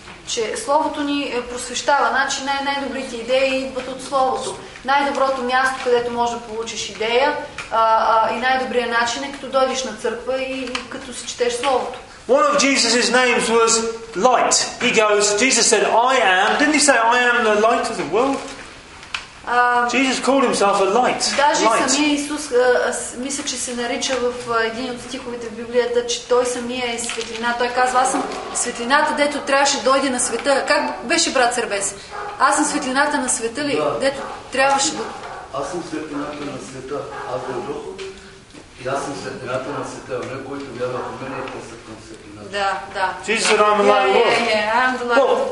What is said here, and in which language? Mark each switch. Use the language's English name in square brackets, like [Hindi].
[Bulgarian] че словото ни просвещава, значи най-добрите идеи идват от словото. Най-доброто място, където можеш да получиш идея, и най-добрият начин е като дойдеш на църква и като си четеш словото. [English] One of Jesus' names was light. He goes, Jesus said, I am. Didn't he say, I am the light of the world? Jesus called himself a light. [Bulgarian] Даже самия Исус, мисля, че се нарича в един от стиховете в Библията, че той самия е светлина. Той казва, аз съм светлината, дето трябваше да дойде на света. Как беше брат Сърбес? Аз съм светлината на света ли? Да. Дето трябваше да... Аз съм светлината на света. Аз съм Дух. И аз съм светлината на света. Вне, който вярва в мен, е тъсът. Да, да. [English] Jesus said, I'm the light of the world.